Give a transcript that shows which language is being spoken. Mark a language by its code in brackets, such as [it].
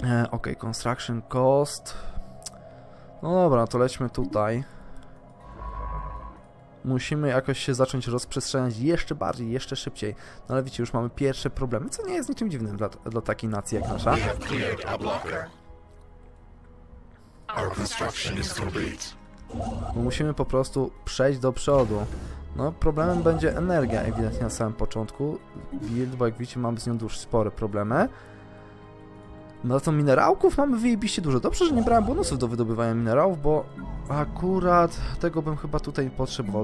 [pl] Okej, construction cost. No dobra, to lećmy tutaj. Musimy jakoś się zacząć rozprzestrzeniać jeszcze bardziej, jeszcze szybciej. No ale wiecie, już mamy pierwsze problemy, co nie jest niczym dziwnym dla takiej nacji jak nasza. [en] Our construction is complete. [pl] Musimy po prostu przejść do przodu. No problemem będzie energia ewidentnie na samym początku. Build, bo jak widzicie mamy z nią dużo spore problemy. No to minerałków mamy wyjebiście dużo. Dobrze, że nie brałem bonusów do wydobywania minerałów, bo akurat tego bym chyba tutaj nie potrzebował.